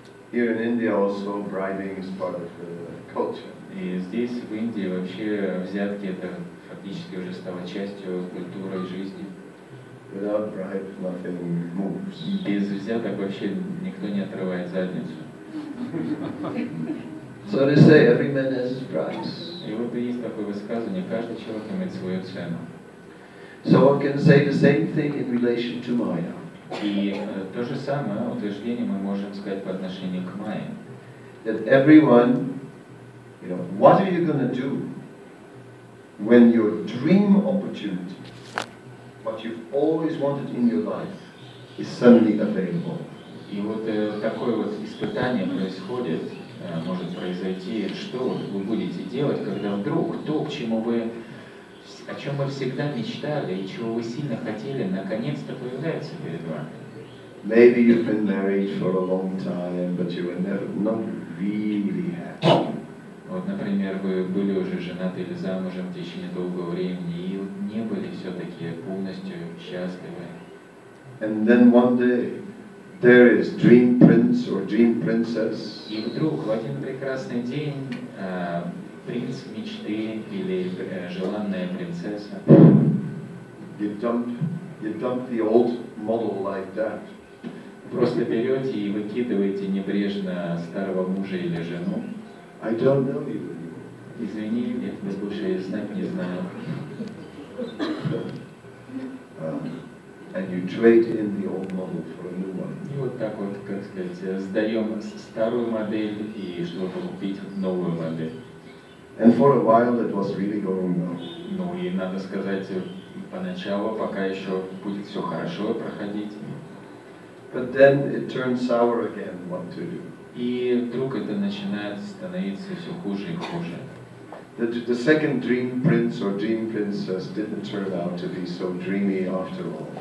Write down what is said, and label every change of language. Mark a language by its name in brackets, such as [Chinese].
[English] Here in India also bribing is part of the culture. [Russian] И здесь, в Индии, вообще взятки это фактически уже стало частью культуры и жизни. [English] Without bribe, nothing moves. [Russian] Без взяток вообще никто не отрывает задницу. [English] So they say every man has his price. [Russian] И вот есть такое высказывание: каждый человек имеет свою цену. [English] So one can say the same thing in relation to Maya. [Russian] И то же самое утверждение мы можем сказать по отношению к Майе. [English] That everyone, you know, what are you going to do when your dream opportunity, what you've always wanted in your life, is suddenly available? [Russian] И вот такое вот испытание происходит. Может произойти, что вы будете делать, когда вдруг то, к чему вы о чем вы всегда мечтали и чего вы сильно хотели, наконец-то появляется перед вами. [English] Maybe you've been married for a long time, but you were never not really happy. [Russian] Вот, например, вы были уже женаты или замужем в течение долгого времени и не были все-таки полностью счастливы. [English] And then one day, there is dream prince or dream princess. [Russian] И вдруг в один прекрасный день принц мечты или желанная принцесса. [English] You dump the old model like that. [Russian] Просто берете и выкидываете небрежно старого мужа или жену. [English] I don't know you. [Russian] Извини, я тебя больше знать не знаю. [English] And you trade in the old model for a new one. [Russian] И вот так вот, как сказать, сдаем старую модель и чтобы купить новую модель. [English] And for a while it was really going well. [Russian] Ну и надо сказать, поначалу, пока еще будет все хорошо проходить. [English] But then it turns sour again. What to do? [Russian] И вдруг это начинает становиться все хуже и хуже. [English] The second dream prince or dream princess didn't turn out to be so dreamy after all.